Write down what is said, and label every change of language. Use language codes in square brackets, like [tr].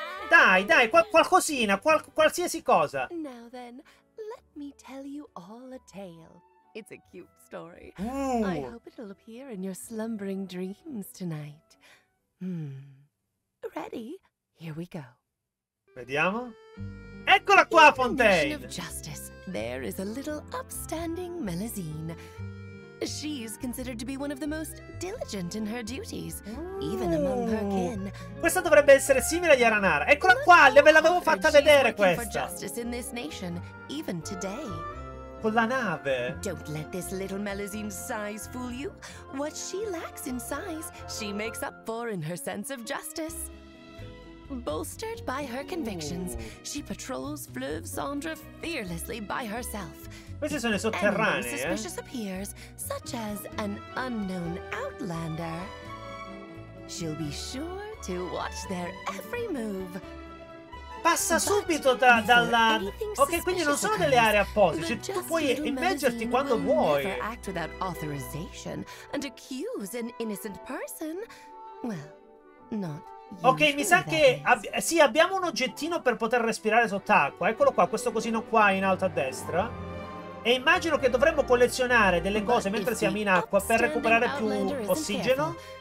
[it] Dai, qualcosina, qualsiasi cosa. [en] Now then, let me tell you all a tale. It's a cute story. I hope it'll appear in your slumbering dreams tonight. Ready? Here we go. [it] Vediamo. Eccola qua, Fontaine. [en] In the mission of justice, there is a little upstanding Melusine. She is considered to be one of the most diligent in her duties, even among her kin. [it] Questa dovrebbe essere simile agli Aranara. Eccola qua, ve l'avevo fatta vedere questa. [en] She is working for justice in this nation, even today. [it] con la nave. [en] Don't let this little Melusine size fool you. What she lacks in size, she makes up for in her sense of justice. Bolstered by her convictions, she patrols Fleuve Sandre fearlessly by herself. [it] Queste sono le sotterranee. [en] Anyone suspicious appears, such as an unknown outlander. She'll be sure to watch their every move. [it] Passa subito da, dalla... Ok, quindi non sono delle aree apposite, cioè, tu puoi immergerti quando vuoi. [en] Never act without authorization and accuse an innocent person. Well, not [it] ok, mi sa che sì, abbiamo un oggettino per poter respirare sott'acqua. Eccolo qua, questo cosino qua in alto a destra. E immagino che dovremmo collezionare delle cose mentre siamo in acqua per recuperare più ossigeno.